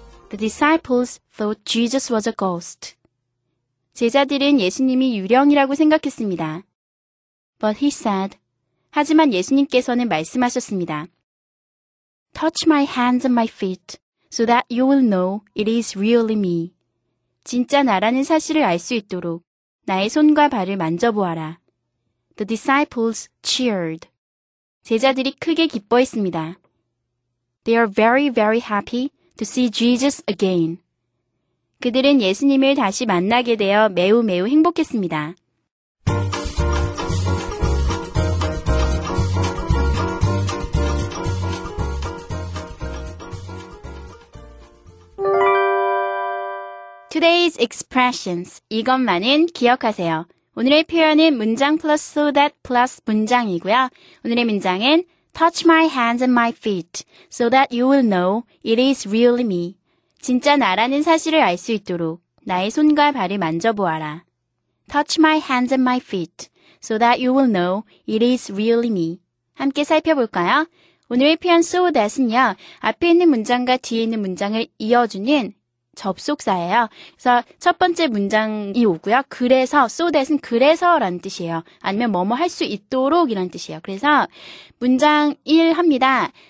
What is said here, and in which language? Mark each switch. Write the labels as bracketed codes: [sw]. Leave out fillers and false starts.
[en] The disciples thought Jesus was a ghost. [ko] 제자들은 예수님이 유령이라고 생각했습니다. [en] But he said, [ko] 하지만 예수님께서는 말씀하셨습니다. [en] Touch my hands and my feet so that you will know it is really me. [ko] 진짜 나라는 사실을 알 수 있도록 나의 손과 발을 만져보아라. [en] The disciples cheered. [ko] 제자들이 크게 기뻐했습니다. [en] They are very, very happy to see Jesus again. [ko] 그들은 예수님을 다시 만나게 되어 매우 매우 행복했습니다. [en] Today's expressions. [ko] 이것만은 기억하세요. 오늘의 표현은 문장 플러스 that 플러스 문장이고요. 오늘의 문장은 [en] Touch my hands and my feet so that you will know it is really me. [ko] 진짜 나라는 사실을 알 수 있도록 나의 손과 발을 만져보아라. [en] Touch my hands and my feet so that you will know it is really me. [ko] 함께 살펴볼까요? 오늘의 표현 so that은요. 앞에 있는 문장과 뒤에 있는 문장을 이어주는 접속사예요. 그래서 첫 번째 문장이 오고요. 그래서, so that은 그래서 라는 뜻이에요. 아니면 뭐뭐 할 수 있도록 이라는 뜻이에요. 그래서 문장 1 합니다.